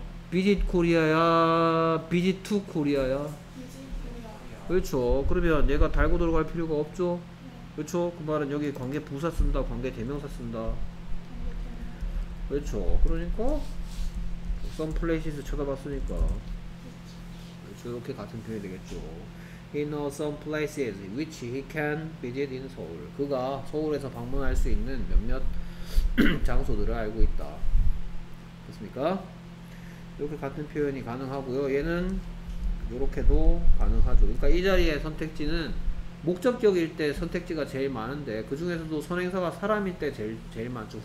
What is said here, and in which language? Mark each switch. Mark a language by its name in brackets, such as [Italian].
[Korean] 비짓 코리아야? 비짓 투 코리아야? 그렇죠. 그러면 얘가 달고 들어갈 필요가 없죠? 네. 그렇죠. 그 말은 여기 관계 부사 쓴다, 관계 대명사 쓴다. 그렇죠. 그러니까 [English] some places [Korean] 쳐다봤으니까 그렇죠. 이렇게 같은 표현이 되겠죠. [English] He knows some places which he can visit in Seoul. [Korean] 그가 서울에서 방문할 수 있는 몇몇 장소들을 알고 있다. 됐습니까? 이렇게 같은 표현이 가능하고요. 얘는 이렇게도 가능하죠. 그러니까 이 자리의 선택지는 목적격일 때 선택지가 제일 많은데 그 중에서도 선행사가 사람일 때 제일 많죠.